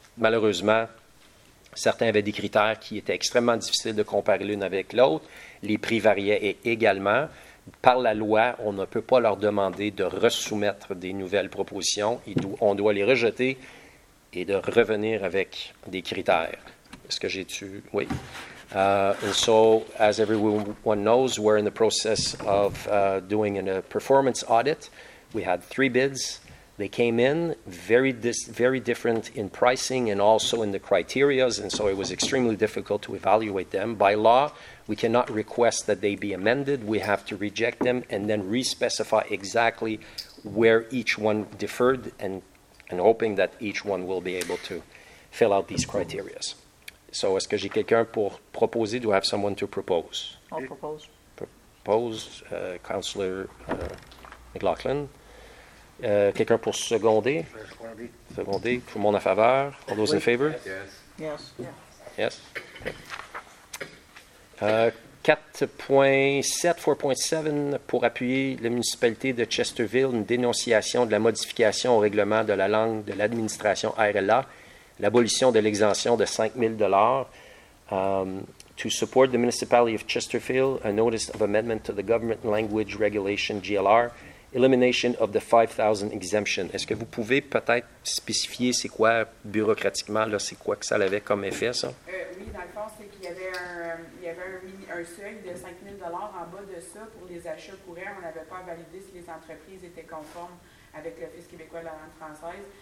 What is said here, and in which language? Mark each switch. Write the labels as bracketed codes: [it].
[fr] Malheureusement, certains avaient des critères qui étaient extrêmement difficiles de comparer l'une avec l'autre. Les prix variaient également. Par la loi, on ne peut pas leur demander de resoumettre des nouvelles propositions. On doit les rejeter et de revenir avec des critères. Est-ce que j'ai dû? Oui. [en] And so, as everyone knows, we're in the process of doing a performance audit. We had three bids. They came in very different in pricing and also in the criterias, and so it was extremely difficult to evaluate them. By law, we cannot request that they be amended. We have to reject them and then re-specify exactly where each one differed and hoping that each one will be able to fill out these criterias. [fr] So, est-ce que j'ai quelqu'un pour proposer? [en] Do I have someone to propose? I'll propose. [fr] Councillor McLaughlin. Quelqu'un pour seconder? Seconder. Pour mon en faveur? [en] All those in favor? Yes. [fr] Yes. 4.7 pour appuyer la municipalité de Chesterville, une dénonciation de la modification au règlement de la langue de l'administration RLA, l'abolition de l'exemption de 5 000 $. [en] To support the municipality of Chesterville, a notice of amendment to the government language regulation GLR, elimination of the 5,000 exemption. [fr] Est-ce que vous pouvez peut-être spécifier c'est quoi bureaucratiquement, là, c'est quoi que ça avait comme effet, ça? Oui, dans le fond, c'est qu'il y avait un seuil de 5 000 $ en bas de ça pour les achats courants. On n'avait pas validé si les entreprises étaient conformes avec l'Office québécois de la langue française.